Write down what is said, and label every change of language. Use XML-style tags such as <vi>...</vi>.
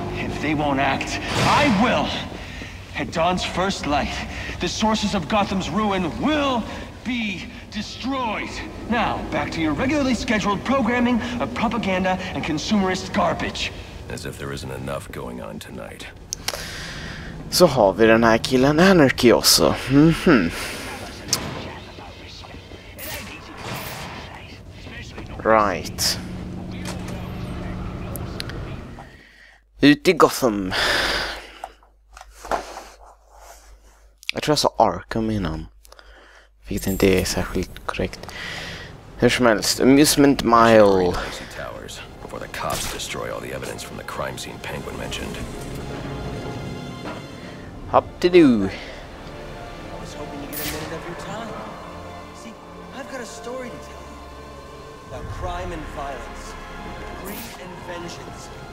<en>If they won't act, I will. At dawn's first light, the sources of Gotham's ruin will be destroyed. Now, back to your regularly scheduled programming of propaganda and consumerist garbage. As if there isn't enough going on tonight.</en> <sv>Så har vi den här killen Anarchy också. Mm-hmm.</sv> <en>Right.</en> <sv>Ut i Gotham. Jag tror jag sa Arkham innan. Vilket inte är särskilt korrekt. Hur som helst, Amusement Mile.</sv> <en>Before the cops destroy all the evidence from the crime scene Penguin mentioned. Hop to do. I was hoping to get a minute of your time. See, I've got a story to tell you. About crime and violence. Grief and vengeance.</en>